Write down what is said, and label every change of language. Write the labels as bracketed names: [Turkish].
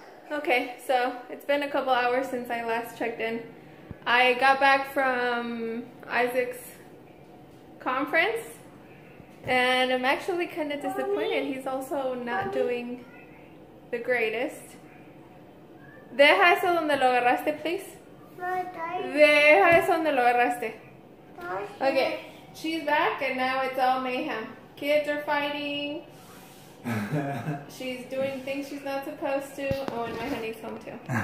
[English] Okay, so it's been a couple hours since I last checked in. I got back from Isaac's conference. And I'm actually kind of disappointed. Mommy. He's also not Mommy. Doing the greatest. [Spanish] Deja eso donde lo agarraste, please. Deja eso donde lo agarraste. [English] Okay, she's back and now it's all mayhem. Kids are fighting. She's doing things she's not supposed to. Oh, and my honey's home too.